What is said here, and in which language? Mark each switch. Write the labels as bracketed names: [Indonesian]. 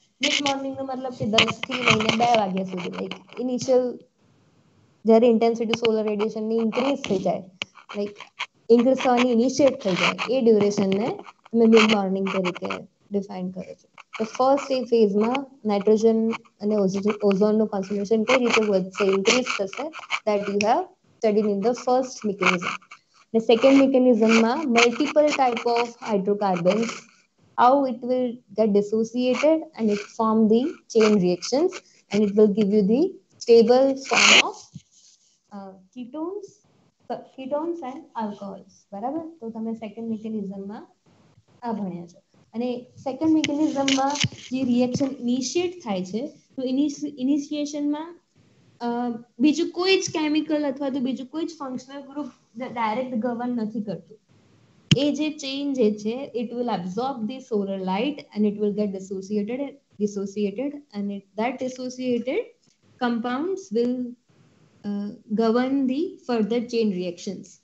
[Gujarati] Mid મોર્નિંગનો મતલબ કે 10 થી 2 વાગ્યા સુધી, લાઈક ઇનિશિયલ જ્યારે ઇન્ટેન્સિટી સોલર રેડિયેશનની ઇન્ક્રીઝ થઈ જાય, લાઈક ઇન્ક્રીઝ થવાની ઇનિશિયેટ થઈ જાય, એ ડ્યુરેશનને તમે મિડ મોર્નિંગ તરીકે ડિફાઈન કરો છો. તો ફર્સ્ટ એ ફેઝમાં નાઇટ્રોજન અને ઓઝોનનું કોન્સન્ટ્રેશન કઈ રીતે વધશે, ઇન્ક્રીઝ થશે, [English] That you have studied in the first mechanism. [Gujarati] અને second મિકેનિઝમમાં multiple type of hydrocarbons [English] how it will get dissociated and it form the chain reactions and it will give you the stable form of ketones and alcohols, [Gujarati] બરાબર. તો તમે second મિકેનિઝમમાં આ ભણ્યા છો. અને second મિકેનિઝમમાં જે reaction initiate થાય છે, તો ઇનિશિયેશનમાં બીજું કોઈ જ કેમિકલ અથવા તો બીજું કોઈ જ ફંક્શનલ ગ્રુપ ડાયરેક્ટ ગવર્ન નથી કરતું. એ જે ચેઇન જે છે [English] It will absorb the solar light and it will get dissociated અને that dissociated compounds will govern the further chain reactions.